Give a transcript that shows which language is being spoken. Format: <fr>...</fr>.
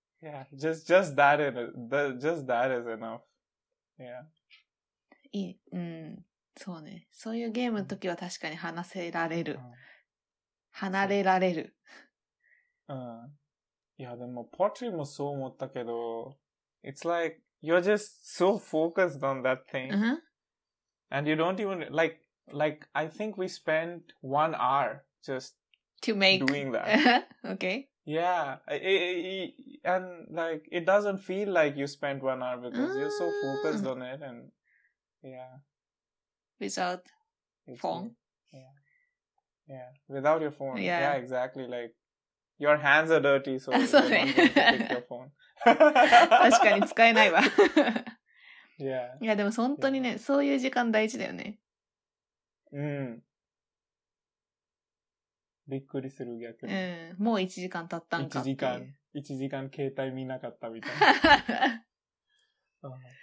<en>yeah, just that is just that is enough、yeah.</en> <ja>いい、うん、そうね、そういうゲームの時は確かに離せられる、うん、離れられる、うん、いやでもポトリーもそう思ったけど、</ja> <en>it's like you're just so focused on that thing、 uh-huh. and you don't even like, I think we spent 1 hour just to make doing that. okay. Yeah. And like, it doesn't feel like you spent 1 hour because you're so focused on it and yeah. Without phone. Yeah. Without your phone. Yeah, exactly. Like, your hands are dirty, so you don't need to pick your phone.</en> <ja>確かに使えないわ。</ja> <en>Yeah.</en> <ja>いやでも本当にね、そういう時間大事だよね。うん、びっくりする逆に。うん。もう1時間経ったんか。 1時間携帯見なかったみたいな。</ja>